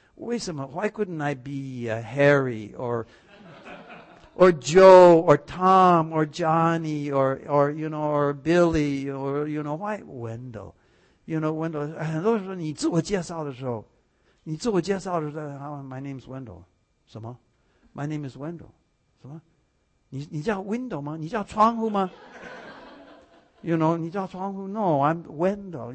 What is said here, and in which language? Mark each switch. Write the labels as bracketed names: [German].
[Chinese] 为什么 [English] ？Why couldn't I be Harry or Joe or Tom or Johnny or you know or Billy or you know why Wendell? You know Wendell. [Chinese] 很多时候你自我介绍的时候， [English] My name is Wendell. [Chinese] 什么 [English] ？My name is Wendell. [Chinese] 什么？你叫 Window 吗？你叫窗户吗？ [English] You know, [Chinese] 你叫窗户 [English] ？No, I'm Wendell.